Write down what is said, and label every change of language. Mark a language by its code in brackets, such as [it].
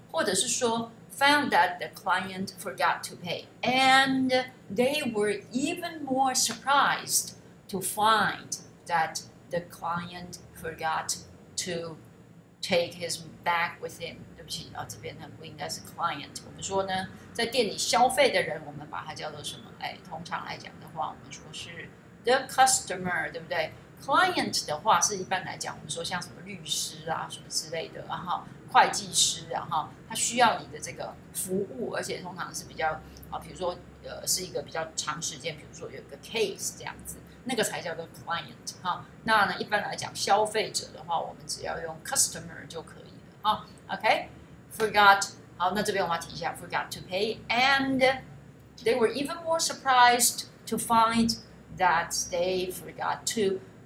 [zh] 或者是说 [en] found that the client forgot to pay and they were even more surprised to find that the client forgot to take his bag with him. [zh] 对不起，哦，这边不应该是 client. 我们说呢，在店里消费的人，我们把它叫做什么？哎，通常来讲的话，我们说是 the customer, 对不对？ client 的话是一般来讲，我们说像什么律师啊，什么之类的，然后会计师啊，哈，他需要你的这个服务，而且通常是比较啊，比如说是一个比较长时间，比如说有个 case 这样子，那个才叫做 client 哈。那呢，一般来讲，消费者的话，我们只要用 customer 就可以了哈。 [en] OK， forgot， [zh] 好，那这边我要提一下 [en] ，forgot to pay， and they were even more surprised to find that they forgot to。